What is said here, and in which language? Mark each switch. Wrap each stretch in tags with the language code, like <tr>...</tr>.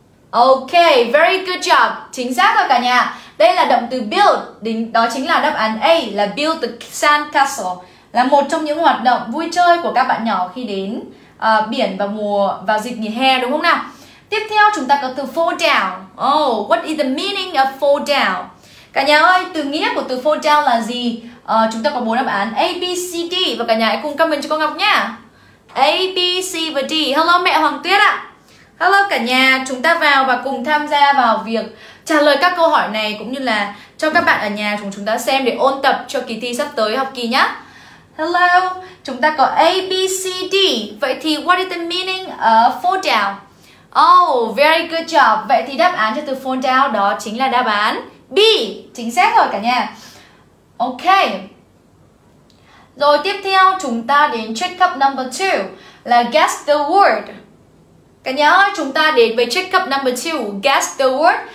<en>Ok, very good job.</en> <vi>Chính xác rồi cả nhà. Đây là động từ build, đó chính là đáp án A, là</vi> <en>build the sand castle,</en> <vi>là một trong những hoạt động vui chơi của các bạn nhỏ khi đến biển vào mùa, vào dịp nghỉ hè, đúng không nào? Tiếp theo chúng ta có từ fall down.</vi> <en>Oh, what is the meaning of fall down?</en> <vi>Cả nhà ơi, từ nghĩa của từ fall down là gì? Chúng ta có 4 đáp án A, B, C, D. Và cả nhà hãy cùng comment cho cô Ngọc nha. A, B, C và D. Hello mẹ Hoàng Tuyết ạ. Hello cả nhà, chúng ta vào và cùng tham gia vào việc trả lời các câu hỏi này, cũng như là cho các bạn ở nhà chúng ta xem để ôn tập cho kỳ thi sắp tới học kỳ nhá. Hello, chúng ta có A, B, C, D.</vi> <en>Vậy thì what is the meaning of fall down? Oh, very good job.</en> <vi>Vậy thì đáp án cho từ fall down đó chính là đáp án B, chính xác rồi cả nhà. Ok, rồi tiếp theo chúng ta đến check up number 2, là</vi> <en>guess the word.</en> <vi>Cả nhà ơi, chúng ta đến với check up number 2,</vi> <en>guess the word.</en>